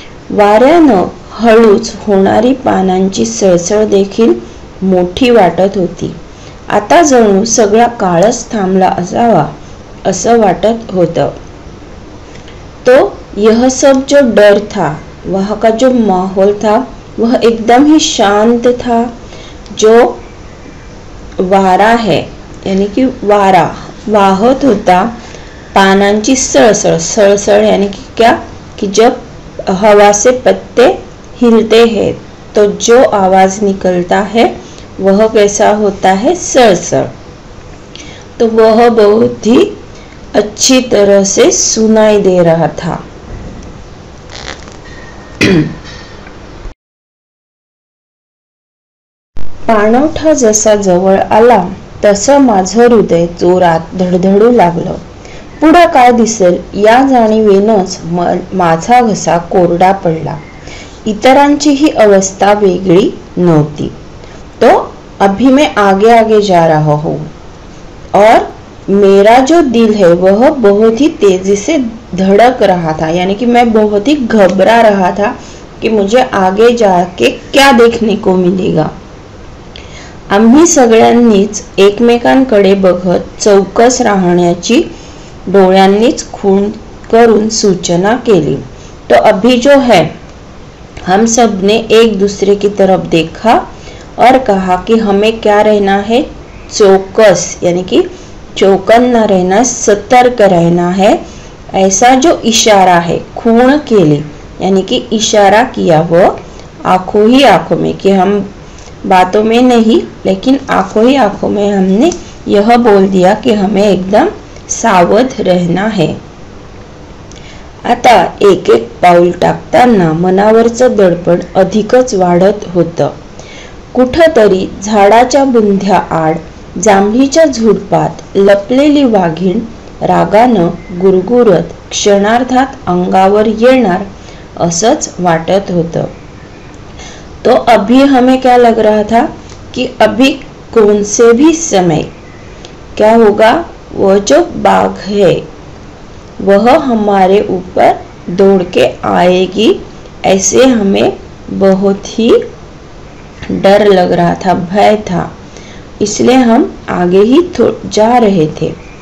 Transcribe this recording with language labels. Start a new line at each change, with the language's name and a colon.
Marathi: वाऱ्यानं हळूच होणारी पानांची सळसळ देखील मोठी वाटत होती. आता जणू सगळा काळच थांबला असावा असं वाटत होतं.
Hindi: तो यह सब जो डर था, वहां का जो माहौल था वह एकदम ही शांत था. जो वारा है यानी कि
Marathi: वारा वाहत होता, पानांची सळसळ,
Hindi: सळसळ यानी कि क्या, कि जब हवा से पत्ते हिलते हैं तो जो आवाज निकलता है वह कैसा होता है, सळसळ. तो वह बहुत ही अच्छी तरह से सुनाई दे रहा था.
Marathi: पाणवठा जसा जवळ आला तसं माझं हृदय जोरात धडधडू लागलं. पुढं काय दिसेल या जाणीवेनंच माझा घसा कोरडा पडला. इतरांची ही अवस्था वेगळी नव्हती.
Hindi: तो अभी मैं आगे आगे जा रहा हूँ और मेरा जो दिल है वह बहुत ही तेजी से धड़क रहा था, यानी कि मैं बहुत ही घबरा रहा था कि मुझे आगे जाके क्या देखने को मिलेगा.
Marathi: आम्ही सगळ्यांनीच एकमेकांकडे बघत चौकस राहण्याची डोळ्यांनीच खून करून सूचना केली.
Hindi: तो अभी जो है हम सबने एक दूसरे की तरफ देखा और कहा कि हमें क्या रहना है, चौकस, यानी कि चौकन्ना रहना, सतर्क रहना है. ऐसा जो इशारा है खून के लिए, यानी कि इशारा किया वो आंखों ही आंखों में, कि हम बातों में नहीं लेकिन आंखों ही आंखों में हमने यह बोल दिया कि हमें एकदम सावध रहना है.
Marathi: आता एक एक पाऊल टाकताना मनावरचं दडपण अधिकच वाढत होतं. कुठतरी झाडाच्या बुंध्या आड जांभीच्या झुडपात लपलेली वाघीण रागानं गुरगुरत क्षणार्धात अंगावर येणार असंच वाटत होतं.
Hindi: तो अभी हमें क्या लग रहा था कि अभी कौन से भी समय क्या होगा, वह जो बाघ है वह हमारे ऊपर दौड़ के आएगी, ऐसे हमें बहुत ही डर लग रहा था, भय था, इसलिए हम आगे ही जा रहे थे.